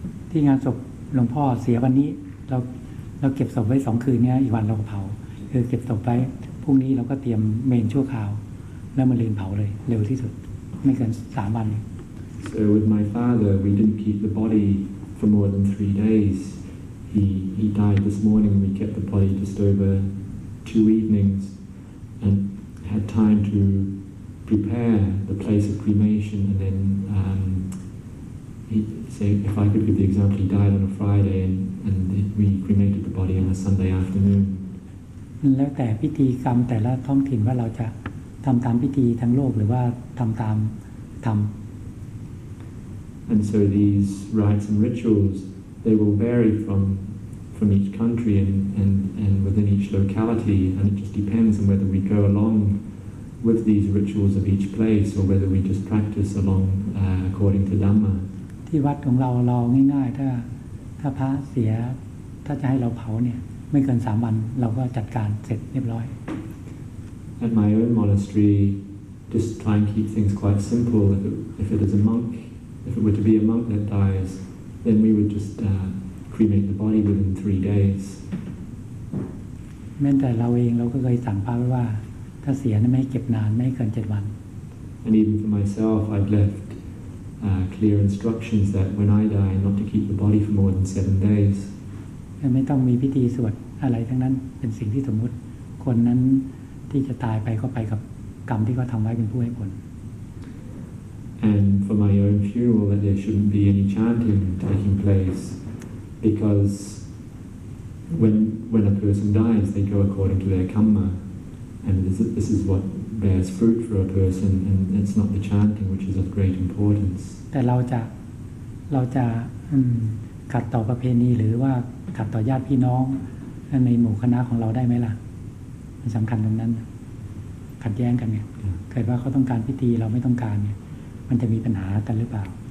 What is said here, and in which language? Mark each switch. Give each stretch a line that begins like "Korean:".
Thai: ที่งานศพหลวงพ่อเสียวันนี้เราเก็บศพไว้สองคืนเนี้ยอีกวันเราก็เผาคือเก็บศพไว้พรุ่งนี้เราก็เตรียมเมนชั่วคราวแล้วมาเลนเผาเลยเร็วที่สุดไม่เกินสามวัน
English: So with my father, we didn't keep the body. For more than 3 days, he died this morning. We kept the body just over 2 evenings, and had time to prepare the place of cremation. And then if I could give the example, he died on a Friday, and we cremated the body on a Sunday afternoon.
Thai: And แล้วแต่พิธีกรรมแต่ละท้องถิ่นว่าเราจะทำตามพิธีทั้งโลกหรือว่าทำตามธรรม
English: And so these rites and rituals, they will vary from each country and within each locality, and it just depends on whether we go along with these rituals of each place or whether we just practice along according to Dhamma.
Thai: ที่วัดของเราเราง่ายๆถ้าพระเสียถ้าจะให้เราเผาเนี่ยไม่เกิน3 วันเราก็จัดการเสร็จเรียบร้อย
English: At my own monastery, just try and keep things quite simple. If it is a monkIf it were to be a monk that dies, then we would just cremate the body within 3 days.
Thai: แม้แต่เราเองเราก็เคยสั่งพระไว้ว่าถ้าเสียไม่เก็บนานไม่เกิน7 วัน
English: And even for myself, I've left clear instructions that when I die, not to keep the body for more than 7 days.
Thai: ไม่ต้องมีพิธีสวดอะไรทั้งนั้นเป็นสิ่งที่สมมติคนนั้นที่จะตายไปก็ไปกับกรรมที่เขาทำไว้เป็นผู้ให้ผล
English: And for my own funeral, that there shouldn't be any chanting taking place, because when a person dies, they go according to their karma, and this is what bears fruit for a person, and it's not the chanting which is of great importance.
Thai: แต่เราจะขัดต่อประเพณีหรือว่าขัดต่อญาติพี่น้องในหมู่คณะของเราได้ไหมล่ะมันสำคัญตรงนั้นขัดแย้งกันเนี่ยเกิดว่าเขาต้องการพิธีเราไม่ต้องการเนี่ยมันจะมีปัญหากันหรือเปล่า